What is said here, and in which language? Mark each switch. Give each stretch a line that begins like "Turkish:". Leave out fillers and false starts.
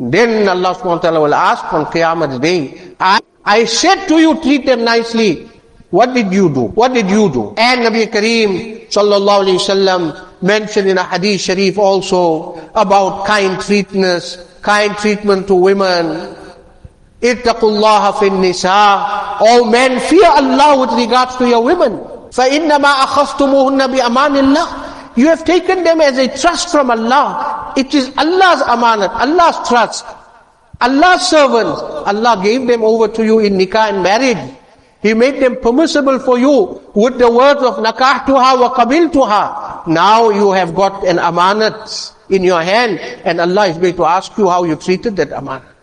English: Then Allah subhanahu wa ta'ala will ask on Qiyamah day, I said to you, treat them nicely. What did you do? What did you do? And Nabi Kareem sallallahu alayhi wa sallam mentioned in a hadith sharif also about kind treatment to women.
Arabic: اتقوا الله في النساء.
English: All men, fear Allah with regards to your women.
Arabic: فإنما أخذتموهن بأمان الله.
English: You have taken them as a trust from Allah. It is Allah's amanat, Allah's trust, Allah's servants. Allah gave them over to you in nikah and marriage. He made them permissible for you with the words of
Arabic: nakahtuha wa qabiltuha.
English: Now you have got an amanat in your hand, and Allah is going to ask you how you treated that amanat.